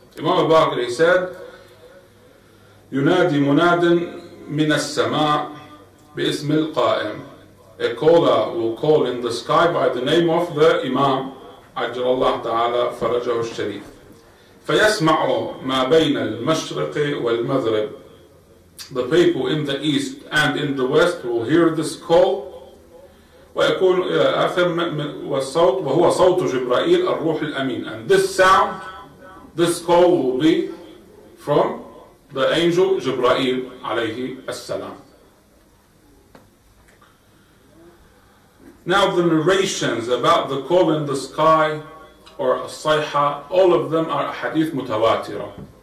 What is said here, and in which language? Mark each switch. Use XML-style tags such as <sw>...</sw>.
<en>Imam al-Baqir, he said,</en> <ar>يُنَادِي مُنَادٍ مِنَ السَّمَاءِ بِإِسْمِ الْقَائِمِ.</ar> <en>A caller will call in the sky by the name of the Imam,</en> <ar>عجل الله تعالى فرجه الشريف. فيسمع ما بين المشرق والمغرب.</ar> <en>The people in the east and in the west will hear this call.</en> <ar>ويكون آخر والصوت وهو صوت جبرائيل الروح الأمين.</ar> <en>And this sound, this call will be from the angel جبرائيل عليه السلام. Now the narrations about the call in the sky or الصيحة, all of them are hadith متواترة.</en>